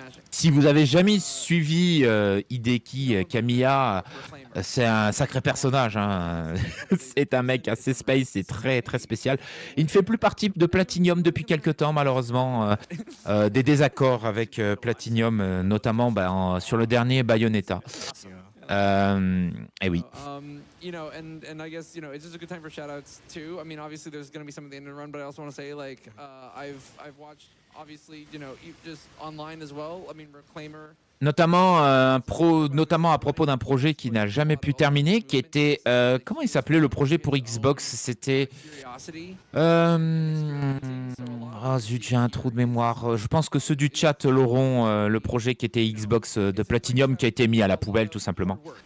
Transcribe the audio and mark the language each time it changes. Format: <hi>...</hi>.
<fr>Si vous avez jamais suivi Hideki Kamiya, c'est un sacré personnage. Hein. C'est un mec assez space, c'est très très spécial. Il ne fait plus partie de Platinum depuis quelques temps, malheureusement. Des désaccords avec Platinum, notamment ben, sur le dernier Bayonetta. Et oui.</fr> <en>You know, and I guess you know it's just a good time for shoutouts too. I mean, obviously there's going to be some at the end of the run, but I also want to say like I've watched. Obviously, you know, just online as well. I mean, Reclaimer.</en> <fr>Notamment à propos d'un projet qui n'a jamais pu terminer, qui était comment il s'appelait le projet pour Xbox? C'était zut, j'ai un trou de mémoire. Je pense que ceux du chat l'auront, le projet qui était Xbox de Platinum qui a été mis à la poubelle tout simplement.</fr>